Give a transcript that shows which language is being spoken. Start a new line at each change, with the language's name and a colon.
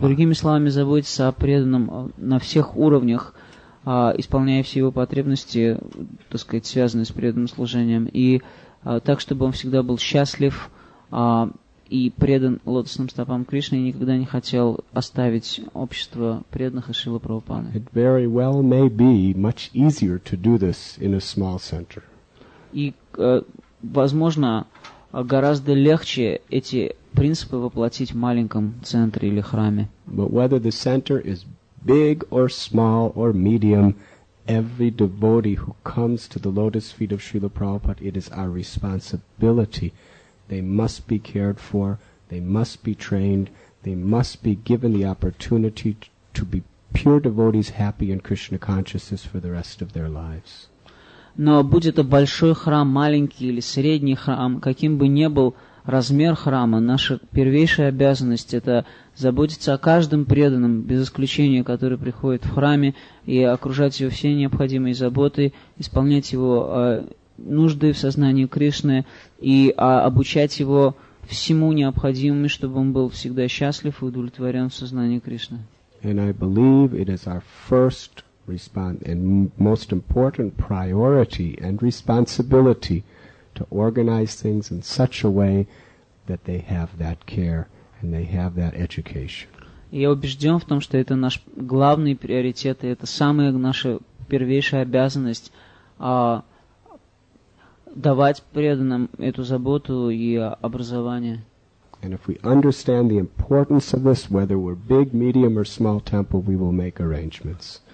Russian: Другими словами, заботиться о преданном на всех уровнях, исполняя все его потребности, так сказать, связанные с преданным служением, и так, чтобы он всегда был счастлив и предан лотосным стопам Кришны, и никогда не хотел оставить общество преданных и Шрилы Прабхупады.
English: It very well may be much easier to do this in a small center.
Russian: И, возможно, гораздо легче эти принципы воплотить в маленьком центре или храме.
English: But whether the center is big or small or medium, every devotee who comes to the lotus feet of Srila Prabhupada, it is our responsibility. They must be cared for, they must be trained, they must be given the opportunity to be pure devotees, happy in Krishna consciousness for the rest of their lives.
Russian: Но будь это большой храм, маленький или средний храм, каким бы ни был размер храма, наша первейшая обязанность — это заботиться о каждом преданном, без исключения, который приходит в храме, и окружать его всей необходимой заботой, исполнять его нужды в сознании Кришны и обучать его всему необходимому, чтобы он был всегда счастлив и удовлетворен в сознании Кришны.
English: And I believe it is our first response and most important priority and responsibility to organize things in such a way that they have that care and they have that education.
Russian: Я убежден в том, что это наш главный приоритет, и это самая наша первейшая обязанность давать преданным эту заботу и образование.
English: And if we understand the importance of this, whether we're big, medium or small temple, we will make arrangements.